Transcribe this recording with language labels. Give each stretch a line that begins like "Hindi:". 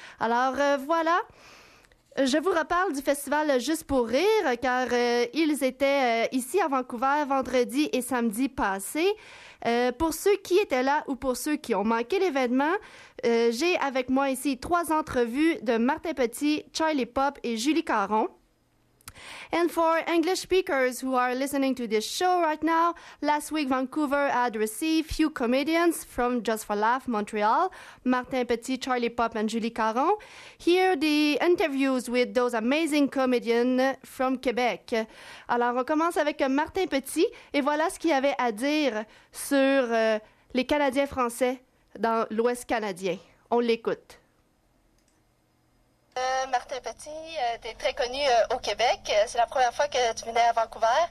French: Alors, voilà. Je vous reparle du festival Juste pour rire, car ils étaient ici à Vancouver vendredi et samedi passé. Pour ceux qui étaient là ou pour ceux qui ont manqué l'événement, j'ai avec moi ici trois entrevues de Martin Petit, Charlie Pop et Julie Caron.
English: And for English speakers who are listening to this show right now, last week Vancouver had received few comedians from Just for Laugh Montreal, Martin Petit, Charlie Pop and Julie Caron. Here the interviews with those amazing comedians from Québec.
French: Alors on commence avec Martin Petit et voilà ce qu'il avait à dire sur les Canadiens français dans l'Ouest canadien. On l'écoute. Martin Petit, tu es très connu au Québec. C'est la première fois que tu venais à Vancouver.